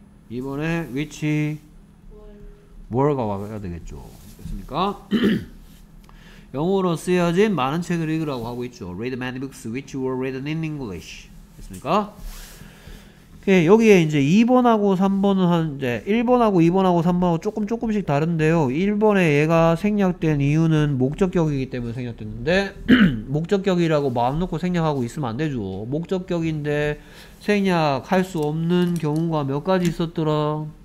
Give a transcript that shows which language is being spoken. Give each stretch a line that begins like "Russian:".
Korean: 이번에 which, were가 와야 되겠죠. 됐습니까? 영어로 쓰여진 많은 책을 읽으라고 하고 있죠.
English: Read many books which were written in English.
Korean: 됐습니까? 여기에 이제 2번하고 3번은 한 이제 1번하고 2번하고 3번하고 조금씩 다른데요. 1번에 얘가 생략된 이유는 목적격이기 때문에 생략됐는데 목적격이라고 마음 놓고 생략하고 있으면 안 되죠. 목적격인데 생략할 수 없는 경우가 몇 가지 있었더라.